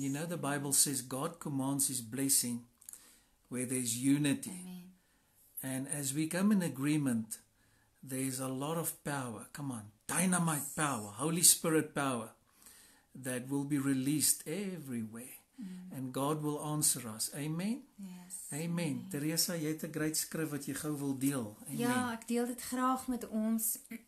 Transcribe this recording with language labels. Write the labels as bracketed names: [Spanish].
[English] You know the Bible says God commands his blessing where there's unity. Amen. And as we come in agreement, there's a lot of power. Come on. Dynamite power. Holy Spirit power that will be released everywhere. Mm. And God will answer us. Amen? Yes. Amen. Amen. [Afrikaans] Theresa, jy het 'n great skrif wat jy gou wil deel. [English] Amen. [Afrikaans] Ja, ek deel dit graag met ons.